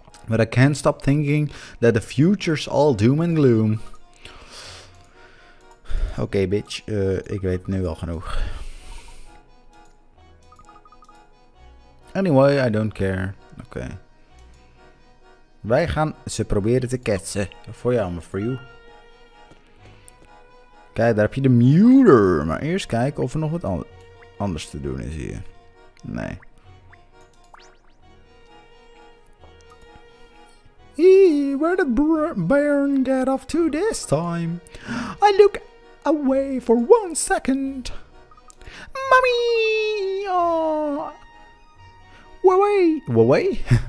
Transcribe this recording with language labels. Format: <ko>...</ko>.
<en>But I can't stop thinking that the future's all doom and gloom. Okay, bitch,</en> <nl>ik weet nu al genoeg.</nl> <en>Anyway, I don't care.</en> <nl>Oké. Okay. Wij gaan ze proberen te ketsen. Voor jou,</nl> <en>my friend.</en> <nl>Kijk, daar heb je de muter. Maar eerst kijken of er nog wat anders te doen is hier. Nee.</nl> <en>Hee, where did Baron get off to this time? I look away for 1 second. Mommy! Oh. Wawai?</en>